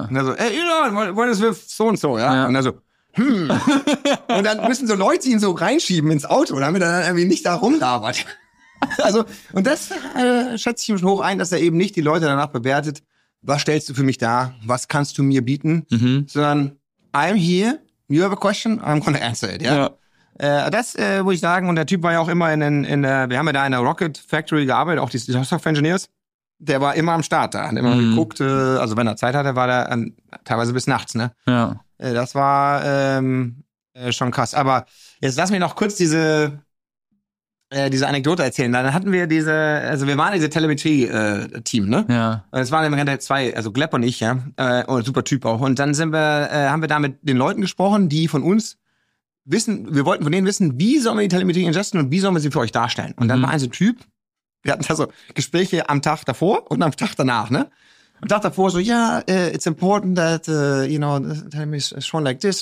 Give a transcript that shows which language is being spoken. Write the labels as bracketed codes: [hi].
[de] Und er so, [en] hey Elon, what is with [de] so und so, ja? Ja. Und er so, und dann müssen so Leute ihn so reinschieben ins Auto, damit er dann irgendwie nicht da rumlabert. Also, und das schätze ich mich hoch ein, dass er eben nicht die Leute danach bewertet, was stellst du für mich da, was kannst du mir bieten, mhm. sondern [en] I'm here, you have a question, I'm gonna answer it, yeah? [de] Das muss ich sagen, und der Typ war ja auch immer wir haben ja da in der Rocket Factory gearbeitet, auch die Software Engineers. Der war immer am Start da, hat immer geguckt, also wenn er Zeit hatte, war der teilweise bis nachts, ne? Ja. Das war schon krass. Aber jetzt lass mich noch kurz diese Anekdote erzählen. Dann hatten wir wir waren diese Telemetrie-Team, ne? Ja. Und es waren immer zwei, also Gleb und ich, ja, und super Typ auch. Und dann haben wir da mit den Leuten gesprochen, die von uns wissen, wir wollten von denen wissen, wie sollen wir die Telemetrie ingesten und wie sollen wir sie für euch darstellen? Und dann war ein Typ, wir hatten da so Gespräche am Tag davor und am Tag danach, ne? Am Tag davor so, ja, [en] it's important that, you know, the telemetry is shown like this.